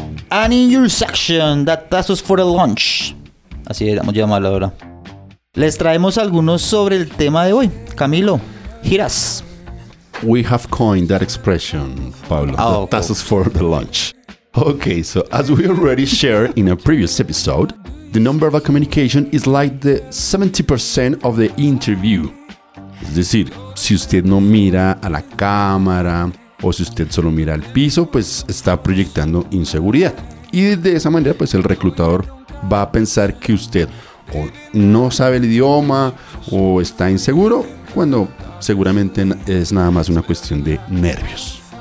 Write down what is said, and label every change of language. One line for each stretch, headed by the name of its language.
English: And in your section, that tazos for a lunch.
Spanish: Así vamos a llamarlo ahora. Les traemos algunos sobre el tema de hoy. Camilo, giras.
English: We have coined that expression, Pablo. Oh, the tazos for the lunch. Okay, so as we already shared in a previous episode, the nonverbal communication is like the 70% of the interview.
Spanish: Es decir, si usted no mira a la cámara o si usted solo mira al piso, pues está proyectando inseguridad. Y de esa manera, pues el reclutador va a pensar que usted o no sabe el idioma o está inseguro, cuando seguramente es nada más una cuestión de nervios.